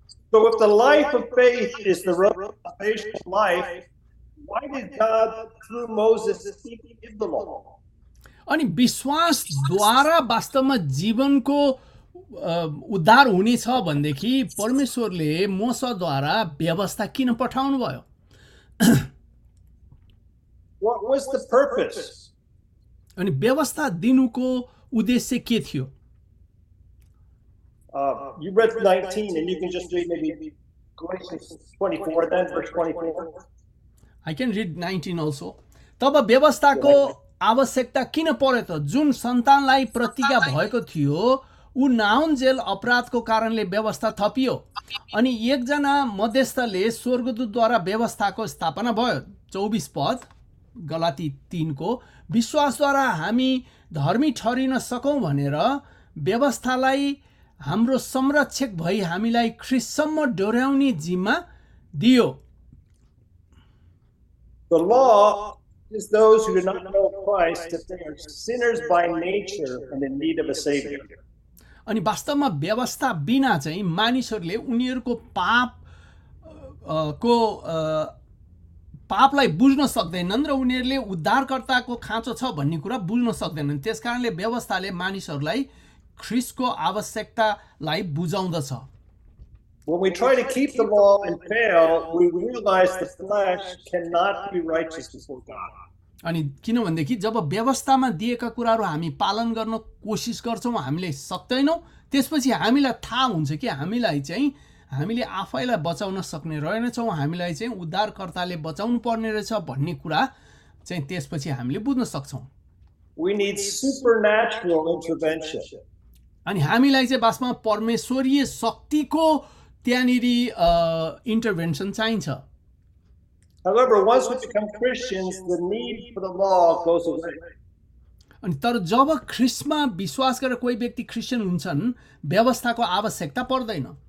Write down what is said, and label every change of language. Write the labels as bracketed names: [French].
[English] So if the life of faith is the revelation of life, why did God through Moses give the law? [Nepali] अनि विश्वासद्वारा वास्तवमा जीवनको उद्धार हुनेछ भनेदेखि परमेश्वरले मोसद्वारा व्यवस्था किन पठाउनु भयो? [English] What was the purpose? [Nepali] अनि व्यवस्था दिनुको उद्देश्य के थियो? [English] You read 19 and you can just read maybe Galatians 24, then verse 24. I can read 19 also. [Nepali] तब व्यवस्थाको आवश्यकता किन पर्यो त? जुन सन्तानलाई प्रतिज्ञा भएको थियो ऊ नाउन्जेल अपराधको कारणले व्यवस्था थपियो, अनि एकजना मध्यस्थले स्वर्गदूतद्वारा व्यवस्थाको स्थापना भयो. 24 पद गलाती 3 को, विश्वासद्वारा हामी धर्मी ठहरिन सकौँ भनेर व्यवस्थालाई हाम्रो संरक्षक भई हामीलाई ख्रिस्टसम्म डोर्याउने जिम्मा दियो. [English] The law is those who do not know Christ, that they are sinners by nature and in need of a savior. [Nepali] अनि वास्तवमा व्यवस्था बिना चाहिँ मानिसहरूले उनीहरूको पाप को पापलाई बुझ्न सक्दैनन् र उनीहरूले उद्धारकर्ताको खाँचो छ भन्ने कुरा बुझ्न सक्दैनन्, त्यसकारणले व्यवस्थाले मानिसहरूलाई ख्रिस्टको आवश्यकतालाई बुझाउँदछ. [English] When we try to keep the law and fail, we realize the flesh cannot be righteous before God. [Nepali] अनि किनभनेदेखि जब व्यवस्थामा दिएका कुराहरू हामी पालन गर्न कोसिस गर्छौँ हामीले सक्दैनौँ, त्यसपछि हामीलाई थाहा हुन्छ कि हामीलाई चाहिँ हामीले आफैलाई बचाउन सक्ने रहेनछौँ, हामीलाई चाहिँ उद्धारकर्ताले बचाउनु पर्ने रहेछ भन्ने कुरा चाहिँ त्यसपछि हामीले बुझ्न सक्छौँ. [English] We need supernatural intervention. [Nepali] अनि हामीलाई चाहिँ वास्तवमा परमेश्वरीय शक्तिको त्यहाँनिर इन्टरभेन्सन चाहिन्छ. [English] However, once we become Christians, the need for the law goes away. [Nepali] अनि तर जब ख्रिस्टमा विश्वास गरेर कोही व्यक्ति क्रिश्चियन हुन्छन् व्यवस्थाको आवश्यकता पर्दैन.